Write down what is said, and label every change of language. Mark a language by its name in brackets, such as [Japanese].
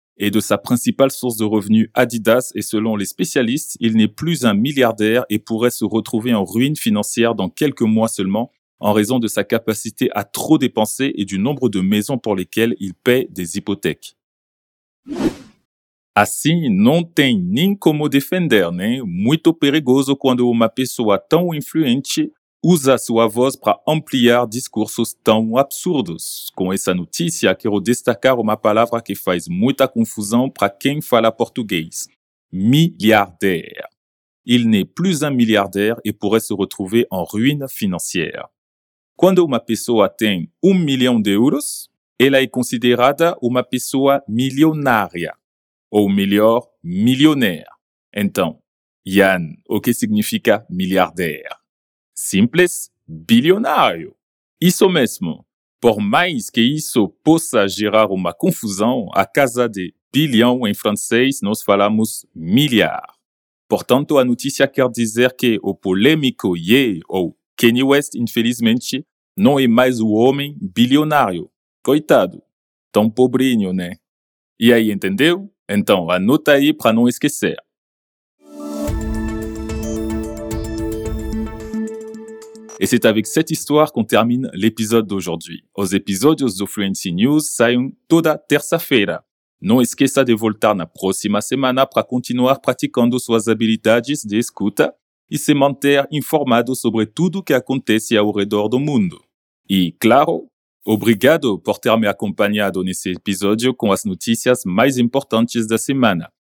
[French] et de sa principale source de revenus Adidas et selon les spécialistes, il n'est plus un milliardaire et pourrait se retrouver en ruine financière dans quelques mois seulement en raison de sa capacité à trop dépenser et du nombre de maisons pour lesquelles il paie des hypothèques. [Portuguese] Assim, não tem nem como defender, né? Muito perigoso quando uma pessoa tão influente usa sua voz para ampliar discursos tão absurdos. Com essa notícia, quero destacar uma palavra que faz muita confusão para quem fala português. [French] Milliardaire. Il n'est plus un milliardaire et pourrait se retrouver en ruine financière. [Portuguese] Quando uma pessoa tem 1 milhão de euros, ela é considerada uma pessoa milionária. Ou melhor, milionaire. Então, Yann, o que significa milliardaire? Simples, bilionário. Isso mesmo. Por mais que isso possa gerar uma confusão, a casa de bilhão em francês nós falamos milhar. Portanto, a notícia quer dizer que o polêmico Ye, ou Kanye West, infelizmente, não é mais o homem bilionário. Coitado. Tão pobrinho, né? E aí, entendeu? Então, anota aí para não esquecer. [French] E c'est avec cette histoire qu'on termine l'épisode d'aujourd'hui. [Portuguese] Os episódios do Fluency News saem toda terça-feira. Não esqueça de voltar na próxima semana para continuar praticando suas habilidades de escuta e se manter informado sobre tudo o que acontece ao redor do mundo. E, claro, obrigado por ter me acompanhado nesse episódio com as notícias mais importantes da semana.